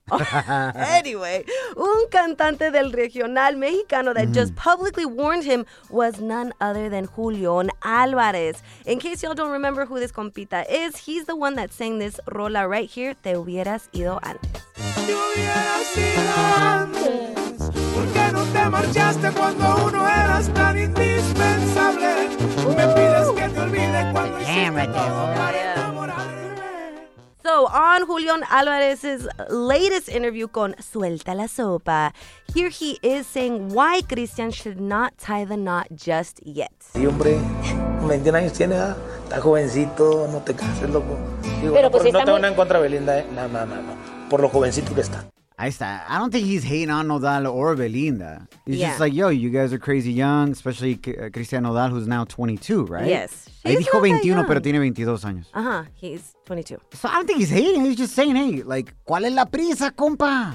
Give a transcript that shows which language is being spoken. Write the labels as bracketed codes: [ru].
[en] Anyway, [es] un cantante del regional mexicano [en] that just publicly warned him was none other than Julión Álvarez. In case y'all don't remember who this compita is, he's the one that sang this rola right here, Te Hubieras Ido Antes. [es] Te hubieras ido antes, porque no te marchaste cuando uno eras tan indispensable. Me pides que te olvide cuando hiciste todo para enamorar. [en] So, on Julión Álvarez's latest interview con Suelta la Sopa, here he is saying why Cristian should not tie the knot just yet. [es] Sí, hombre, 21 años tiene, ¿eh? Está jovencito, no te cases, loco. Digo, pero no, pues si no tengo nada en contra de Belinda, ¿eh? No. Por lo jovencito que está. Ahí está. [en] I don't think he's hating on Nodal or Belinda. He's just like, yo, you guys are crazy young, especially Cristian Nodal, who's now 22, right? Yes. [es] He dijo 21, pero tiene 22 años. [en] Ajá, he's 22. So I don't think he's hating. He's just saying, hey, like, [es] ¿cuál es la prisa, compa?